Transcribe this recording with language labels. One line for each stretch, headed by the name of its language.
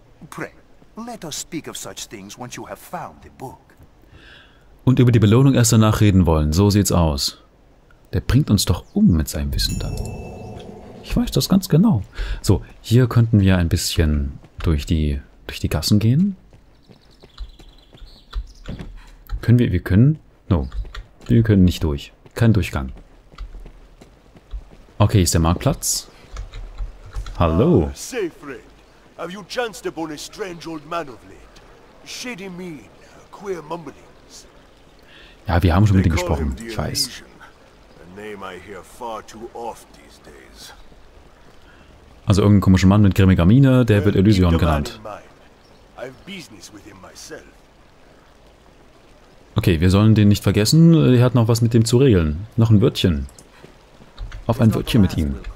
English: Pray, let us speak of such things once you have found the book.
German: Und über die Belohnung erst danach reden wollen. So sieht's aus. Der bringt uns doch um mit seinem Wissen dann. Ich weiß das ganz genau. So, hier könnten wir ein bisschen durch die Gassen gehen. Können wir? Wir können... No, wir können nicht durch. Kein Durchgang. Okay, ist der Marktplatz. Hallo.
English: Ah, say, friend, have you chanced upon a strange old man of late? Shady mean, queer mumblings.
German: Ja, wir haben schon mit ihm gesprochen. Ich weiß.
English: Name I hear far too oft these days.
German: Also irgendein komischer Mann mit grimmiger Miene, der wird Elysion genannt.
English: I've business with him myself.
German: Okay, wir sollen den nicht vergessen. Er hat noch was mit dem zu regeln. Noch ein Wörtchen. Auf ein Wörtchen mit ihm.